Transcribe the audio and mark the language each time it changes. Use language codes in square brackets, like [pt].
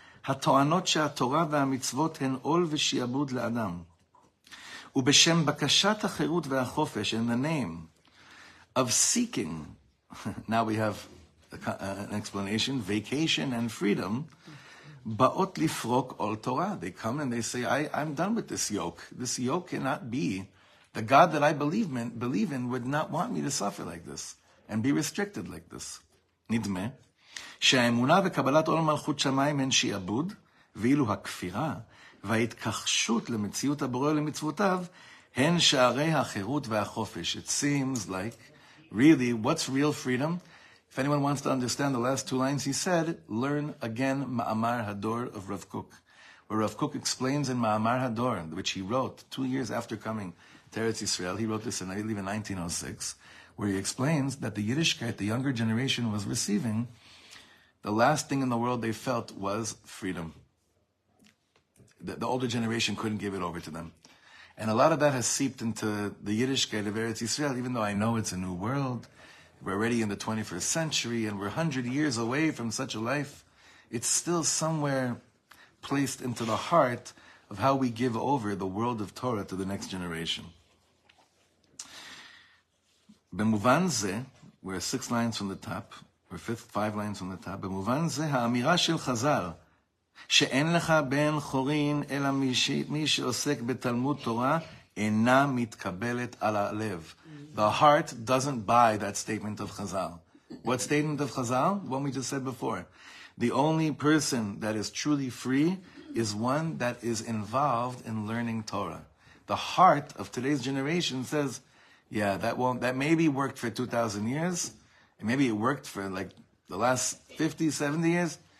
[he] הטוענות שהתורה והמצוות הן עול ושיעבוד לאדם. ובשם בקשת החירות והחופש, [en] in the name of seeking, now we have an explanation, vacation and freedom, [he] באות לפרוק עול תורה. [en] They come and they say, I'm done with this yoke. This yoke cannot be. The God that I believe in would not want me to suffer like this and be restricted like this. [he] נדמה. שהאמונה וקבלת עול מלכות שמיים הן שיעבוד, ואילו הכפירה וההתכחשות למציאות הבורא למצוותיו, הן שערי החירות והחופש. [en] It seems like, really, what's real freedom? If anyone wants to understand the last two lines he said, learn again Ma'amar Hador of Rav Kook, where Rav Kook explains in Ma'amar Hador, which he wrote 2 years after coming to Eretz Yisrael, he wrote this in, I believe, in 1906, where he explains that the Yiddishkeit, the younger generation, was receiving, the last thing in the world they felt was freedom. The older generation couldn't give it over to them. And a lot of that has seeped into the Yiddishkeit of Eretz Yisrael, even though I know it's a new world. We're already in the 21st century, and we're 100 years away from such a life. It's still somewhere placed into the heart of how we give over the world of Torah to the next generation. [he] במובן זה, [en] we're six lines from the top, [he] we're five lines from the top, במובן זה, האמירה של חזר, שאין לך בן חורין, אלא מי שעוסק בתלמוד תורה, אינה מתקבלת על הלב. [en] The heart doesn't buy that statement of Chazal. What statement of Chazal? The one we just said before. The only person that is truly free is one that is involved in learning Torah. The heart of today's generation says, yeah, that maybe worked for 2,000 years, and maybe it worked for like the last 50, 70 years.